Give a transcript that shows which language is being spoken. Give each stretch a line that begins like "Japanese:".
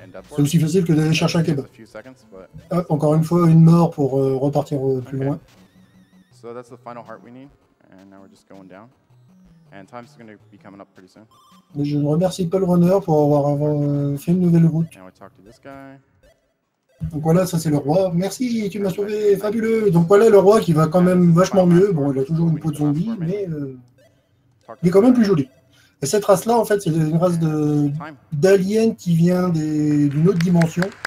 French: C'est aussi facile que d'aller chercher un kebab. Hop, encore une fois, une mort pour repartir plus loin.
English: So that's the final heart we need, and now we're just going down. And time's going to be coming up pretty soon.
French: Mais je ne remercie pas le runner pour avoir fait une nouvelle route.
English: And we talk to this guy.
French: Donc voilà, ça c'est le roi. Merci, tu m'as sauvé, fabuleux. Donc voilà le roi qui va quand même vachement mieux. Bon, il a toujours une peau de zombie, mais il est quand même plus joli. Et cette race-là, en fait, c'est une race d'aliens qui vient d'une autre dimension.